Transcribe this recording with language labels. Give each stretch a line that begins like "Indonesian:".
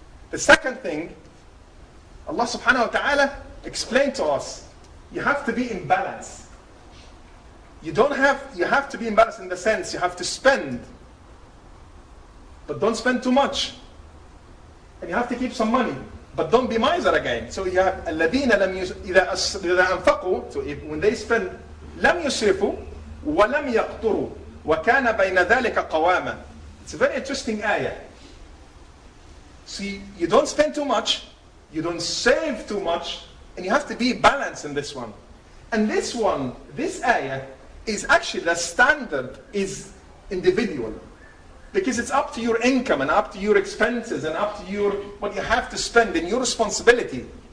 English: The second thing, Allah subhanahu wa ta'ala explained to us, you have to be in balance. You have to be in balance in the sense you have to spend, but don't spend too much. And you have to keep some money. But don't be miser again. So you have
Arabic: الذين لم إذا أنفقوا.
English: So if, when they spend,
Arabic: لم يسرفوا ولم يقتروا وكان بين ذلك قواما.
English: It's a very interesting ayah. See, you don't spend too much, you don't save too much, and you have to be balanced in this one. And this one, this ayah, is actually the standard is individual. Because it's up to your income and up to your expenses and up to your what you have to spend and your responsibility.